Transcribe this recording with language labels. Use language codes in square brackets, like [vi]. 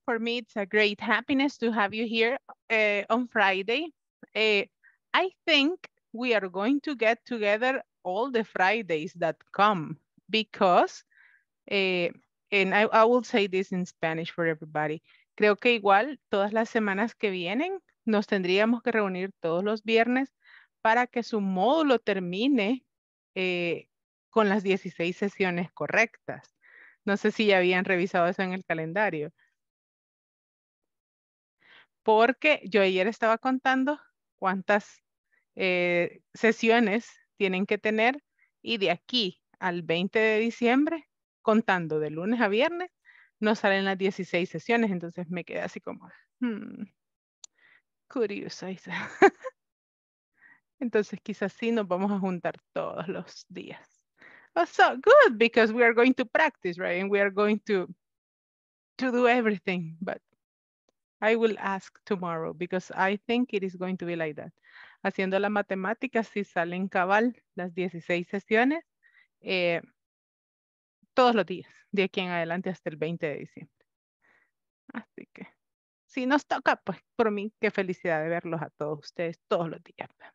[en] For me, it's a great happiness to have you here on Friday. I think we are going to get together all the Fridays that come because, and I will say this in Spanish for everybody. [es] Creo que igual todas las semanas que vienen nos tendríamos que reunir todos los viernes para que su módulo termine con las 16 sesiones correctas. No sé si ya habían revisado eso en el calendario. Porque yo ayer estaba contando cuántas sesiones tienen que tener y de aquí al 20 de diciembre, contando de lunes a viernes, no salen las 16 sesiones, entonces me quedé así como, curioso. Entonces quizás sí nos vamos a juntar todos los días. [en] Oh, so good, because we are going to practice, right? And we are going to do everything. But I will ask tomorrow, because I think it is going to be like that. [es] Haciendo la matemática, si salen cabal las 16 sesiones, todos los días, de aquí en adelante hasta el 20 de diciembre. Así que, si nos toca, pues, por mí, qué felicidad de verlos a todos ustedes todos los días.